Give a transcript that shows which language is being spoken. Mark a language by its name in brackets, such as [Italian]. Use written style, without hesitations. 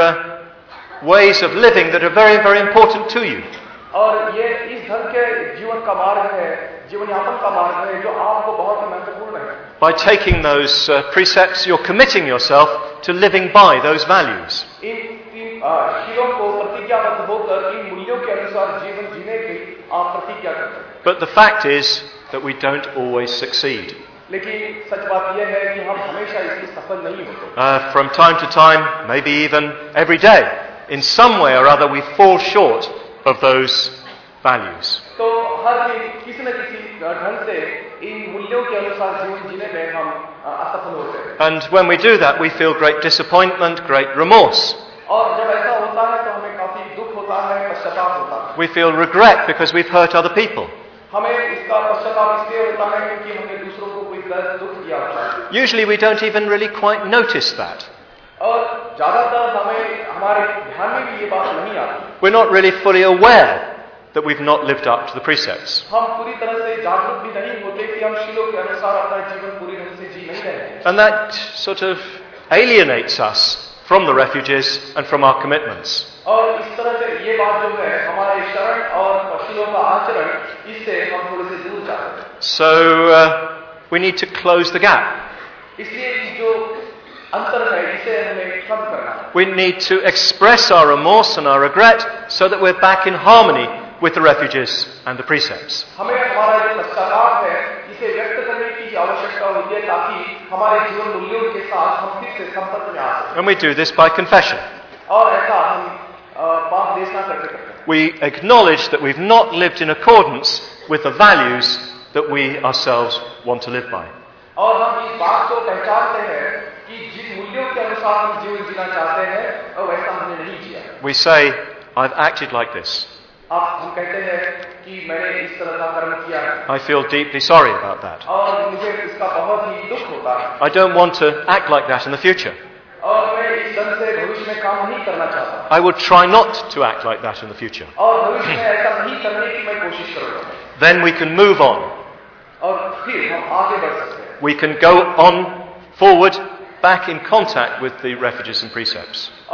[English] are ways of living that are very, very important to you. [Hindi] और ये इस धर्म के जीवन का मार्ग है, जीवन यापन का मार्ग है, जो आपको बहुत ही महत्वपूर्ण है. [English] By taking those precepts, you're committing yourself to living by those values. [Hindi] इन शीलों को प्रतिज्ञाबद्ध होकर इन मूल्यों के अनुसार जीवन जीने की आप प्रतिज्ञा करते हैं. [English] But the fact is that we don't always succeed. [Hindi] लेकिन सच बात ये है कि हम हमेशा इसमें सफल नहीं होते. [English] From time to time, maybe even every day, in some way or other, we fall short of those values. [Hindi] So, हर दिन किसी न किसी ढंग से इन मूल्यों के अनुसार जीवन जीने में हम असफल होते हैं. [English] And when we do that, we feel great disappointment, great remorse. [Hindi] और जब ऐसा होता है, तो हमें काफी दुख होता है, पश्चाताप होता है. [English] We feel regret because we've hurt other people. [Hindi] हमें इसका पश्चाताप इसलिए होता है क्योंकि हमने दूसरों को कोई गलत दुख दिया होता है. [English] Usually, we don't even really quite notice that. [Hindi] और ज्यादातर हमें हमारे ध्यान में भी ये बात नहीं आती. [English] We're not really fully aware that we've not lived up to the precepts. [Hindi] हम पूरी तरह से जागरूक भी नहीं होते कि हम शीलों के अनुसार अपना जीवन पूरी तरह से जी नहीं रहे. [English] And that sort of alienates us from the refuges and from our commitments. [Hindi] और इस तरह से ये बात जो है हमारे शरण और शीलों का आचरण इससे हम थोड़े से दूर जाते. [English] So we need to close the gap. [Hindi] इसलिए जो अंतर है इसे हमें कम करना. [English] We need to express our remorse and our regret so that we're back in harmony with the refuges and the precepts. [Hindi] हमें हमारा जो पश्चाताप है इसे व्यक्त करने की आवश्यकता होती है ताकि हमारे जीवन मूल्यों के साथ हम फिर से संपर्क में आ सकें. [English] And we do this by confession. [Hindi] और ऐसा हम पाप देखना करते करते. [English] We acknowledge that we've not lived in accordance with the values that we ourselves want to live by. [Hindi] और हम इस बात को पहचानते हैं कि जिन मूल्यों के अनुसार हम जीवन जीना चाहते हैं और वैसा हमने नहीं किया. [English] We say, I've acted like this. [Hindi] आप हम कहते हैं कि मैंने इस तरह का कर्म किया. [English] I feel deeply sorry about that. [Hindi] और मुझे इसका बहुत ही दुख होता है. [English] I don't want to act like that in the future. [Hindi] और मैं इस तरह से भविष्य में काम नहीं करना चाहता. [English] I will try not to act like that in the future. [Hindi] और भविष्य में ऐसा नहीं करने की मैं कोशिश करूंगा. [English] Then we can move on. [Hindi] और फिर हम आगे बढ़ सकते. [English] We can go on forward back in contact with the refuges and precepts.